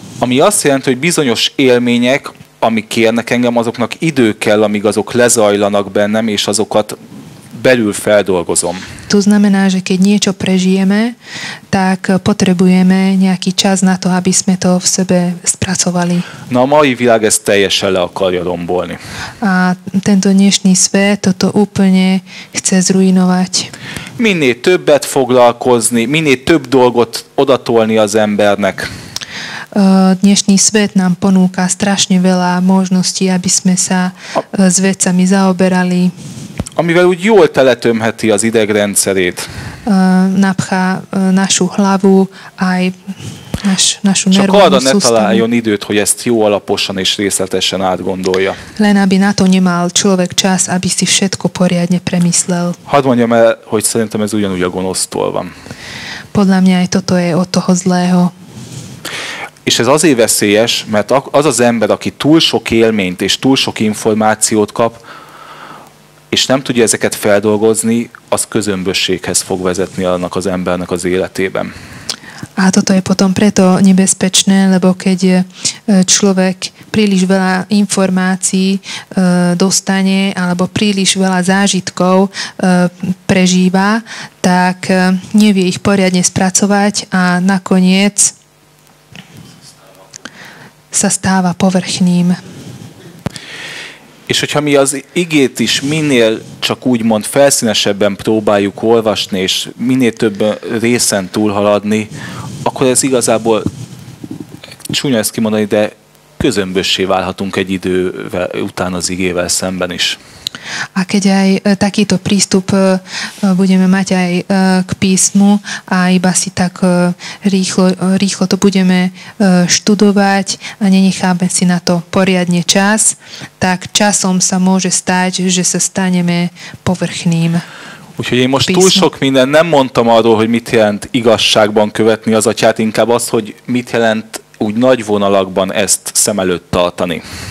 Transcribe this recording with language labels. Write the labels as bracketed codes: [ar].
[hu] Ami azt jelenti, hogy bizonyos élmények, amik kérnek engem, azoknak idő kell, amíg azok lezajlanak bennem, és azokat belül feldolgozom. [sk] To znamená, že keď niečo prežijeme, tak potrebujeme nejaký čas na to, aby sme to v sebe spracovali. [hu] No a mai világ ezt teljesen le akarja rombolni. [sk] A tento dnešný svet toto úplne chce zruinovať. [hu] Minél többet foglalkozni, minél több dolgot odatolni az embernek. [sk] Dnešný svet nám ponúka strašne veľa možností, aby sme sa s vecami zaoberali. [hu] Amivel úgy jól teletömheti az idegrendszerét. [sk] Napchá našu hlavu, aj našu nervovú sústavu. [hu] Csak arra ne találjon időt, hogy ezt jó alaposan és részletesen átgondolja. [sk] Len aby na to nemal človek čas, aby si všetko poriadne premyslel. [hu] Hadd mondjam el, hogy szerintem ez ugyanúgy a gonosztól van. [sk] Podľa mňa aj toto je od toho zlého. [hu] És ez azért veszélyes, mert az az ember, aki túl sok élményt és túl sok információt kap, és nem tudja ezeket feldolgozni, az közömbösséghez fog vezetni annak az embernek az életében. [sk] A toto je potom preto nebezpečné, lebo keď človek príliš veľa informácií dostane, alebo príliš veľa zážitkov prežíva, tak nevie ich poriadne spracovať a nakoniec sa stáva povrchným. [hu] És hogyha mi az igét is minél csak úgymond felszínesebben próbáljuk olvasni, és minél több részen túlhaladni, akkor ez igazából, csúnya ezt kimondani, de közömbössé válhatunk egy idővel után az igével szemben is. [sk] A keď aj takýto prístup budeme mať aj k písmu a iba si tak rýchlo to budeme študovať a nenecháme si na to poriadne čas, tak časom sa môže stať, že sa staneme povrchným. [hu] Úgyhogy én most túl sok mindent nem mondtam arról, hogy mit jelent igazságban követni az atyát, inkább az, hogy mit jelent úgy nagy vonalakban ezt szem előtt tartani.